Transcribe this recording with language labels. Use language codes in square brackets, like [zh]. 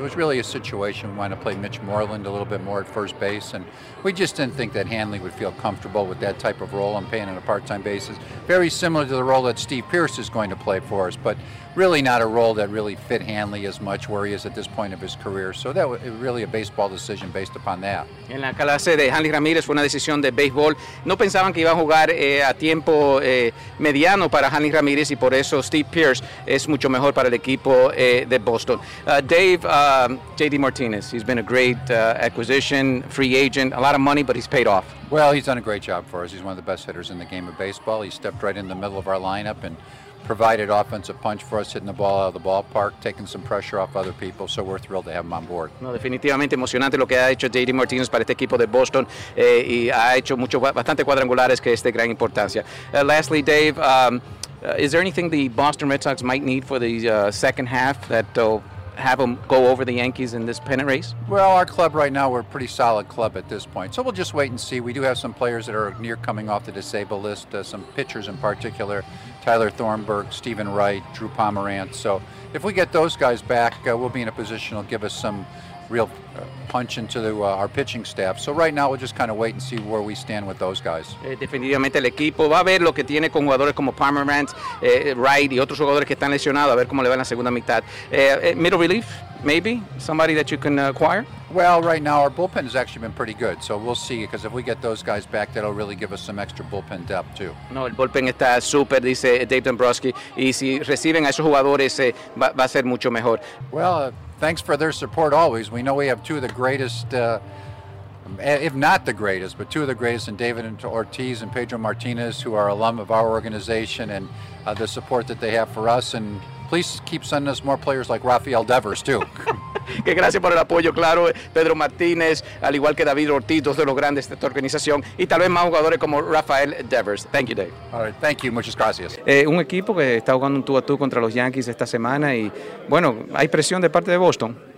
[en] It was really a situation we wanted to play Mitch Moreland a little bit more at first base, and we just didn't think that Hanley would feel comfortable with that type of role and playing on a part-time basis. Very similar to the role that Steve Pearce is going to play for us, but really not a role that really fit Hanley as much where he is at this point of his career. So that was really a baseball decision based upon that. [es] En la clase de Hanley Ramirez fue una decisión de béisbol. No pensaban que iba a jugar a tiempo mediano para Hanley Ramirez, y por eso Steve Pearce es mucho mejor para el equipo de Boston. [en] Dave, J.D. Martinez, he's been a great acquisition, free agent, a lot of money, but he's paid off. Well, he's done a great job for us. He's one of the best hitters in the game of baseball. He stepped right in the middle of our lineup and provided offensive punch for us, hitting the ball out of the ballpark, taking some pressure off other people, so we're thrilled to have him on board. [es] No, definitivamente emocionante lo que ha hecho J.D. Martinez para este equipo de Boston, y ha hecho mucho, bastante cuadrangulares que es de gran importancia. [en] Lastly, Dave, is there anything the Boston Red Sox might need for the second half that will have them go over the Yankees in this pennant race? Well, our club right now, we're a pretty solid club at this point, so we'll just wait and see. We do have some players that are near coming off the disabled list, some pitchers in particular, Tyler Thornburg, Stephen Wright, Drew Pomerantz. So if we get those guys back, we'll be in a position that'll give us some real punch into our pitching staff. So right now, we'll just kind of wait and see where we stand with those guys. [es] Definitivamente el equipo va a ver lo que tiene con jugadores como Pomerantz, Wright, y otros jugadores que están lesionados, a ver cómo le va en la segunda mitad. [en] Middle relief, maybe? Somebody that you can acquire? Well, right now, our bullpen has actually been pretty good, so we'll see, because if we get those guys back, that'll really give us some extra bullpen depth, too. [es] No, el bullpen está super, dice Dave Dombrowski, y si reciben a esos jugadores, va a ser mucho mejor. [en] Well, thanks for their support always. We know we have two of the greatest, if not the greatest, but two of the greatest, in David Ortiz and Pedro Martinez, who are alum of our organization, and the support that they have for us. And please keep sending us more players like Rafael Devers, too. [es] Que gracias por el apoyo, claro, Pedro Martinez, al igual que David Ortiz, dos de los grandes de esta organización, y tal vez más jugadores como Rafael Devers. [en] Thank you, Dave. All right, thank you, [es] muchas gracias. Un equipo que está jugando un tú a tú contra los Yankees esta semana, y bueno, ¿hay presión de parte de Boston?